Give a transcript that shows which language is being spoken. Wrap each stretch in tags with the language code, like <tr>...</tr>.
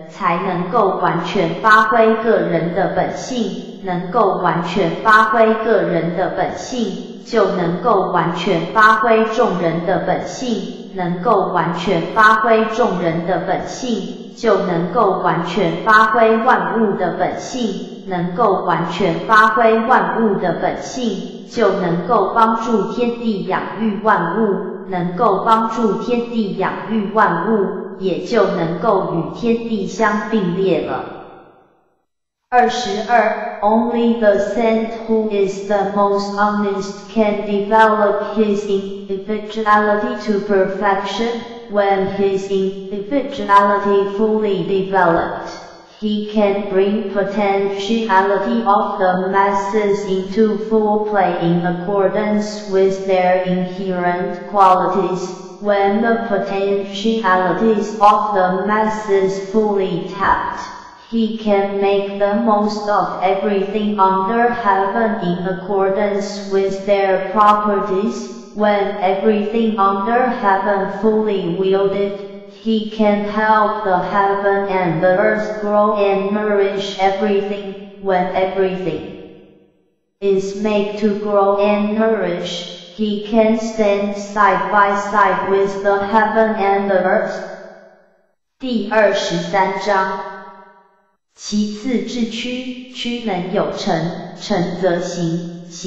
<zh>才能够完全发挥个人的本性，能够完全发挥个人的本性，就能够完全发挥众人的本性，能够完全发挥万物的本性，能够完全发挥万物的本性，就能够帮助天地养育万物，能够帮助天地养育万物。也就能够与天地相并列了。</zh> <en>22. Only the saint who is the most honest can develop his individuality to perfection. When his individuality fully developed, he can bring potentiality of the masses into full play in accordance with their inherent qualities. When the potentialities of the masses fully tapped, he can make the most of everything under heaven in accordance with their properties. When everything under heaven fully wielded, he can help the heaven and the earth grow and nourish everything. When everything is made to grow and nourish, he can stand side by side with the heaven and the earth.</en> <zh>第23章。其次至趋，趋能有成，成则行。</zh>